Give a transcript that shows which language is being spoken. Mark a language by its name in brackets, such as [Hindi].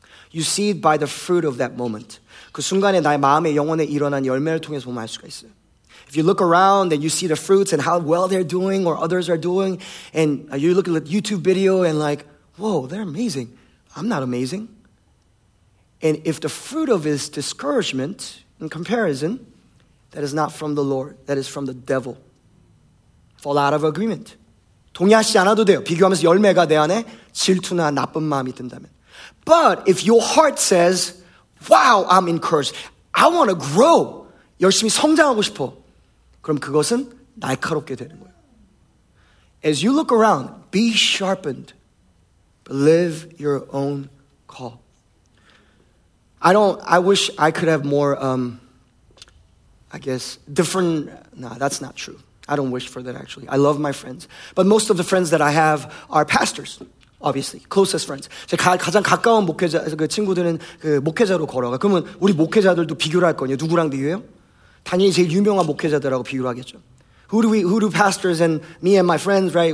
[English] You see it by the fruit of that moment. [Korean] 그 순간에 나의 마음에 영혼에 일어난 열매를 통해서 보면 알 수가 있어요. [English] If you look around and you see the fruits and how well they're doing or others are doing and you look at the YouTube video and like, whoa, they're amazing. I'm not amazing. And if the fruit of it is discouragement in comparison, that is not from the Lord. That is from the devil. Fall out of agreement. [Korean] 동의하시지 않아도 돼요. 비교하면서 열매가 내 안에 질투나 나쁜 마음이 든다면. [English] But if your heart says, wow, I'm encouraged. I want to grow. [Korean] 열심히 성장하고 싶어. 그럼 그것은 날카롭게 되는 거예요. [English] As you look around, be sharpened. Live your own call. I wish I could have more, I guess, different. No, that's not true. I don't wish for that, actually. I love my friends. But most of the friends that I have are pastors, obviously. Closest friends. [Korean] 가장 가까운 목회자, 그 친구들은 그 목회자로 걸어가. 그러면 우리 목회자들도 비교를 할 거 아니에요. 누구랑 비교해요? 당연히 제일 유명한 목회자들하고 비교를 하겠죠. [English] Who do pastors and me and my friends, right?